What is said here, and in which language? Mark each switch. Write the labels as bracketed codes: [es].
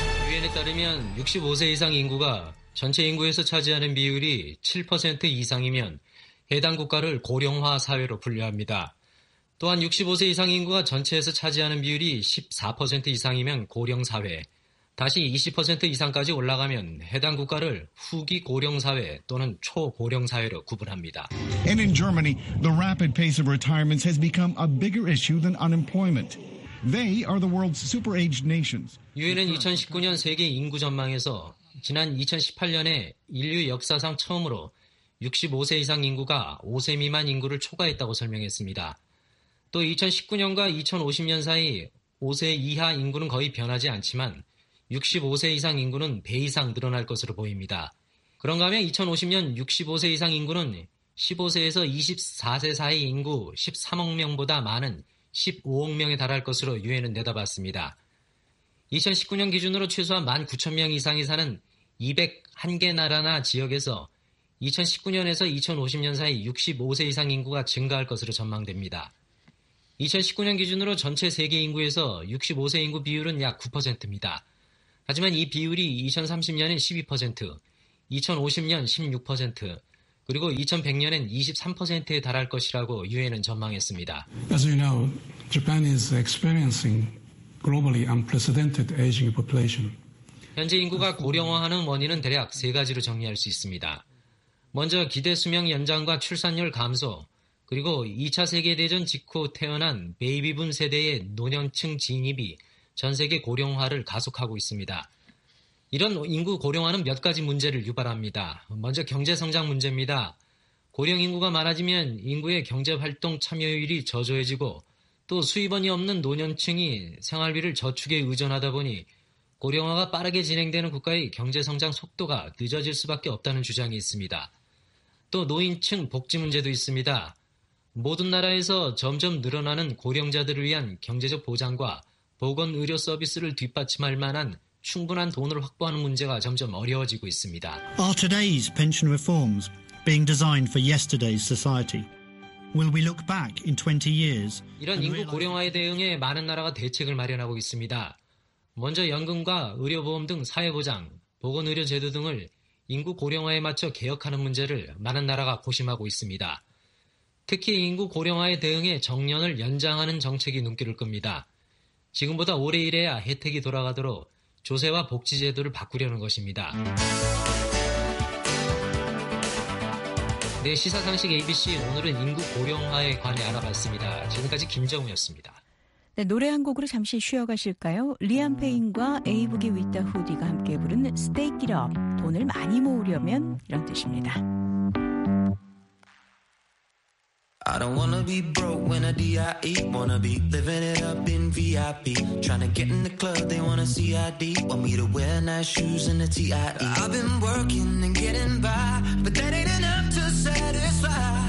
[ko] 유엔에 따르면 65세 이상 인구가 전체 인구에서 차지하는 비율이 7% 이상이면 해당 국가를 고령화 사회로 분류합니다. 또한 65세 이상 인구가 전체에서 차지하는 비율이 14% 이상이면 고령사회, 다시 20% 이상까지 올라가면 해당 국가를 후기 고령사회 또는 초고령사회로 구분합니다. [en] And in Germany, the rapid pace of retirements has become a bigger issue than unemployment. They are the world's super-aged nations. [ko] 유엔은 2019년 세계 인구 전망에서 지난 2018년에 인류 역사상 처음으로 65세 이상 인구가 5세 미만 인구를 초과했다고 설명했습니다. 또 2019년과 2050년 사이 5세 이하 인구는 거의 변하지 않지만 65세 이상 인구는 배 이상 늘어날 것으로 보입니다. 그런가 하면 2050년 65세 이상 인구는 15세에서 24세 사이 인구 13억 명보다 많은 15억 명에 달할 것으로 유엔은 내다봤습니다. 2019년 기준으로 최소한 19,000명 이상이 사는 201개 나라나 지역에서 2019년에서 2050년 사이 65세 이상 인구가 증가할 것으로 전망됩니다. 2019년 기준으로 전체 세계 인구에서 65세 인구 비율은 약 9%입니다. 하지만 이 비율이 2030년엔 12%, 2050년 16%, 그리고 2100년엔 23%에 달할 것이라고 유엔은 전망했습니다. [en] As you know, Japan is experiencing globally unprecedented aging population. [ko] 현재 인구가 고령화하는 원인은 대략 세 가지로 정리할 수 있습니다. 먼저 기대 수명 연장과 출산율 감소, 그리고 2차 세계대전 직후 태어난 베이비붐 세대의 노년층 진입이 전 세계 고령화를 가속하고 있습니다. 이런 인구 고령화는 몇 가지 문제를 유발합니다. 먼저 경제성장 문제입니다. 고령 인구가 많아지면 인구의 경제활동 참여율이 저조해지고 또 수입원이 없는 노년층이 생활비를 저축에 의존하다 보니 고령화가 빠르게 진행되는 국가의 경제성장 속도가 늦어질 수밖에 없다는 주장이 있습니다. 또 노인층 복지 문제도 있습니다. 모든 나라에서 점점 늘어나는 고령자들을 위한 경제적 보장과 보건의료 서비스를 뒷받침할 만한 충분한 돈을 확보하는 문제가 점점 어려워지고 있습니다. [en] Are today's pension reforms being designed for yesterday's society? Will we look back in 20 years? [ko] 이런 인구 고령화에 대응해 많은 나라가 대책을 마련하고 있습니다. 먼저 연금과 의료보험 등 사회보장, 보건의료 제도 등을 인구 고령화에 맞춰 개혁하는 문제를 많은 나라가 고심하고 있습니다. 특히 인구 고령화에 대응해 정년을 연장하는 정책이 눈길을 끕니다. 지금보다 오래 일해야 혜택이 돌아가도록 조세와 복지 제도를 바꾸려는 것입니다. 네, 시사상식 ABC 오늘은 인구 고령화에 관해 알아봤습니다. 지금까지 김정우였습니다. 네, 노래 한 곡으로 잠시 쉬어가실까요? 리암 페인과 에이브기 윗다 후디가 함께 부른 Stake It Up, 돈을 많이 모으려면 이런 뜻입니다. [en] I don't wanna be broke when I D.I.E. Wanna be living it up in VIP. Tryna get in the club, they wanna C.I.D. Want me to wear nice shoes and a T.I.E. I've been working and getting by, but that ain't enough to satisfy.